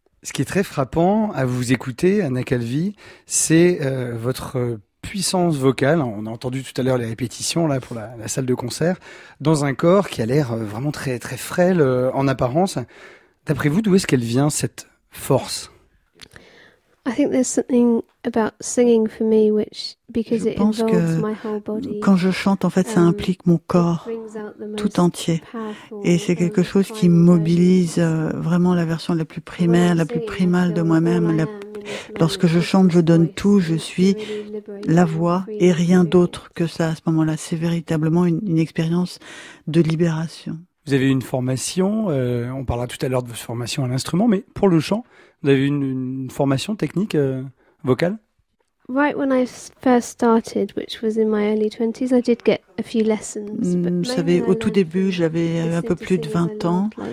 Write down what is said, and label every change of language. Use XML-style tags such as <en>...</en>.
<fr>Ce qui est très frappant à vous écouter, Anna Calvi, c'est votre puissance vocale. On a entendu tout à l'heure les répétitions là pour la salle de concert, dans un corps qui a l'air vraiment très très frêle en apparence. D'après vous, d'où est-ce qu'elle vient cette force?</fr> <en>I think there's something about singing for me which, because it involves my whole body.</en> <fr>Quand je chante, en fait, ça implique mon corps tout entier, et c'est quelque chose qui mobilise vraiment la version la plus primaire, la plus primale de moi-même. Lorsque je chante, je donne tout, je suis la voix et rien d'autre que ça à ce moment-là. C'est véritablement une expérience de libération. Vous avez une formation, on parlera tout à l'heure de votre formation à l'instrument, mais pour le chant, vous avez une formation technique vocale ?</fr> <en>Right when I first started, which was in my early 20s, I did get a few lessons.</en> <fr>Vous savez, au tout début, j'avais un peu plus de 20 ans.</fr>